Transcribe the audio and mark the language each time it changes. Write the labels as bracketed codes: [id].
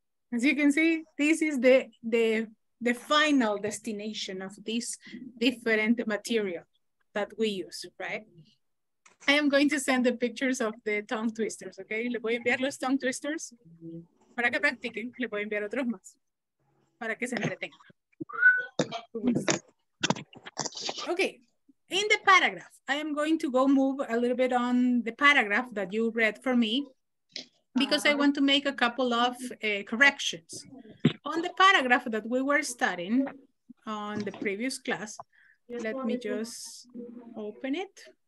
[en] As you can see, this is the final destination of this different material that we use, right? I am going to send the pictures of the tongue twisters, okay? [es] Le voy a enviar los tongue twisters para que practiquen. Le voy a enviar otros más para que se entretengan. [en] Okay, in the paragraph, I am going to go move a little bit on the paragraph that you read for me because I want to make a couple of corrections. On the paragraph that we were studying on the previous class, let me just open it.